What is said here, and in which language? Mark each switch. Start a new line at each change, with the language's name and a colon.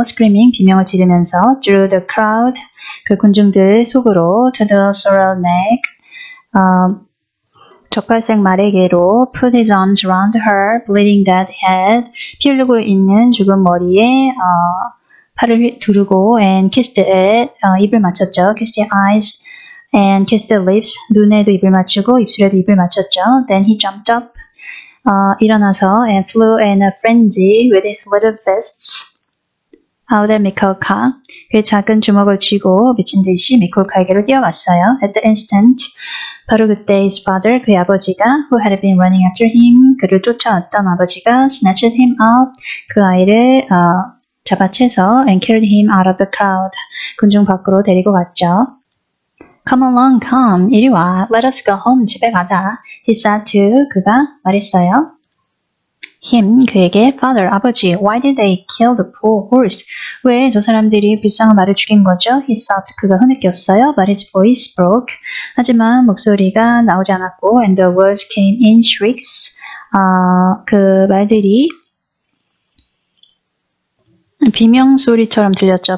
English: Screaming,
Korean: 비명을 지르면서
English: through the crowd,
Korean: 그 군중들 속으로
English: to the sorrel nag,
Korean: 젓갈색 마래개로
English: put his arms around her, bleeding that head,
Korean: 피 흘리고 있는 죽은 머리에 팔을 두르고
English: and kissed it,
Korean: 입을 맞췄죠.
English: Kissed the eyes and kissed the lips.
Korean: 눈에도 입을 맞추고 입술에도 입을 맞췄죠.
English: Then he jumped up,
Korean: 일어나서
English: and flew in a frenzy with his little fists out at Mikhailka.
Korean: 그의 작은 주먹을 쥐고 미친 듯이 미콜카에게로 뛰어갔어요.
English: At the instant,
Korean: 바로 그때
English: his father,
Korean: 그의 아버지가
English: who had been running after him,
Korean: 그를 쫓아왔던 아버지가
English: snatched him out,
Korean: 그 아이를 잡아채서
English: and carried him out of the crowd.
Korean: 군중 밖으로 데리고 갔죠.
English: Come along, come.
Korean: 이리 와.
English: Let us go home.
Korean: 집에 가자.
English: He said to,
Korean: 그가 말했어요.
English: Him,
Korean: 그에게,
English: father,
Korean: 아버지,
English: why did they kill the poor horse?
Korean: 왜 저 사람들이 불쌍한 말을 죽인 거죠?
English: He sobbed,
Korean: 그가 흐느꼈어요.
English: But his voice broke.
Korean: 하지만 목소리가 나오지 않았고
English: and the words came in shrieks.
Korean: 그 말들이 비명 소리처럼 들렸죠.